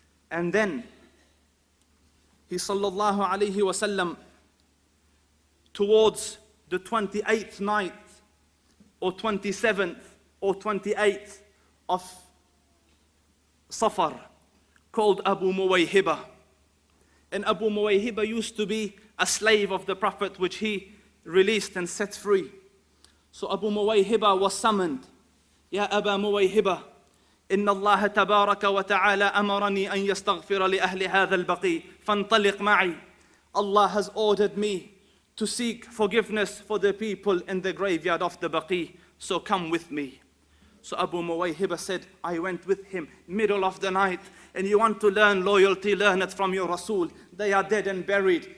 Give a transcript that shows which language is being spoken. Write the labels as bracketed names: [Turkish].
[English] And then he sallallahu alayhi wa sallam, towards the 28th night or 27th or 28th of Safar, called Abu Muwayhiba. And Abu Muwayhiba used to be a slave of the Prophet, which he released and set free. So Abu Muwayhiba was summoned. [Arabic] يا أبا مويهبة إن الله تبارك وتعالى أمرني أن يستغفر لأهل هذا البقي فانطلق معي. [English] Allah has ordered me to seek forgiveness for the people in the graveyard of the Baqi, so come with me. So Abu Muwayhiba said, I went with him middle of the night. And you want to learn loyalty, learn it from your Rasul. They are dead and buried.